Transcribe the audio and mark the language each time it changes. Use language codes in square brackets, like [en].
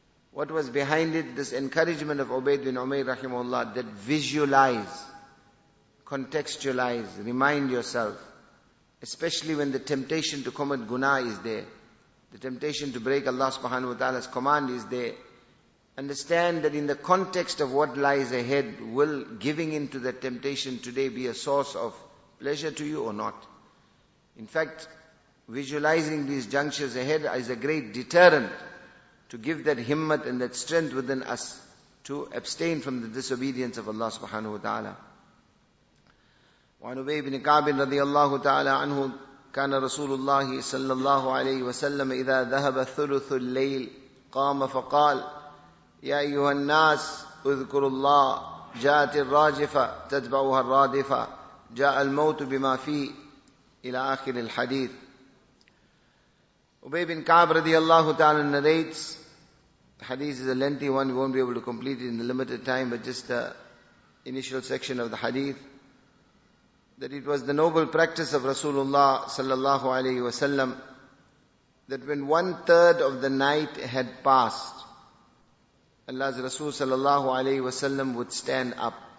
[en] What was behind it, this encouragement of Ubayd bin Umayr rahimahullah, that visualize, contextualize, remind yourself, especially when the temptation to commit guna is there, the temptation to break Allah subhanahu wa ta'ala's command is there, understand that in the context of what lies ahead, will giving in to that temptation today be a source of pleasure to you or not? In fact, visualizing these junctures ahead is a great deterrent to give that himmat and that strength within us to abstain from the disobedience of Allah subhanahu wa ta'ala. [ar] وعن أبي بن كعب رضي الله تعالى عنه كان رسول الله صلى الله عليه وسلم إذا ذهب ثلث الليل قام فقال يا أيها الناس اذكروا الله جاءت الراجفة تتبعها الرادفة جاء الموت بما فيه إلى آخر الحديث. [en] Ubay bin Ka'b radiallahu ta'ala narrates, the hadith is a lengthy one, we won't be able to complete it in the limited time, but just the initial section of the hadith, that it was the noble practice of Rasulullah sallallahu alayhi wa sallam, that when one third of the night had passed, Allah's Rasul sallallahu alayhi wa sallam would stand up.